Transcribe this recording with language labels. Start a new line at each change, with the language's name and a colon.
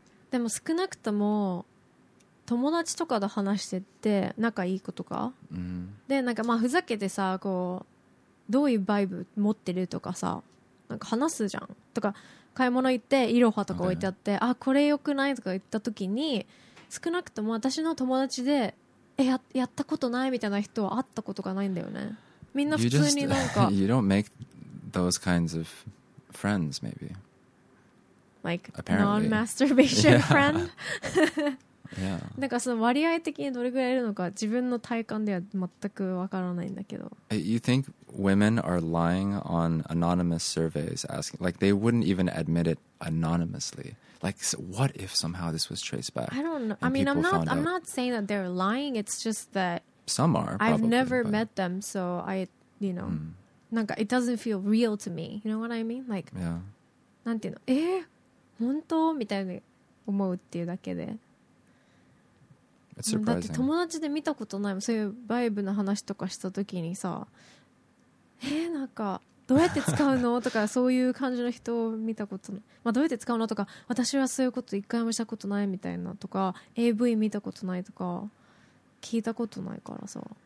Japanese: でも少なくとも友達とかと話してて仲いい子とか、でなんかまあふざけてさ、こうどういうバイブ持ってるとかさ、なんか話すじゃんとか。買い物行ってイロハとか置いてあって、okay. あこれ良くないとか言った時に、少なくとも私の友達でやったことないみたいな人は会ったことがないんだよね。みんな普通になんか、
English: you, just, you don't make those kinds of friends, maybe like、Apparently. non-masturbation friend、 yeah. yeah.
Japanese: なんかその割合的にどれぐらいいるのか、自分の体感では全くわからないんだけど。
English: You think women are lying on anonymous surveys asking, like they wouldn't even admit it anonymously? Like what if somehow this was traced back? I don't know. I mean, I'm not saying that they're lying. It's just that some are. Probably, I've never met them, so I, you know, なんか it doesn't feel real to me. You know what I mean? Like, yeah.
Japanese: なんていうの？え、本当？みたいに思うっていうだけで。
English: It's surprising.
Japanese: だって友達で見たことないもん。そういうバイブの話とかしたときにさ、なんかどうやって使うのとか、そういう感じの人を見たことない。まあどうやって使うのとか、私はそういうこと一回もしたことないみたいなとか、AV 見たことないとか、聞いたことないからさ。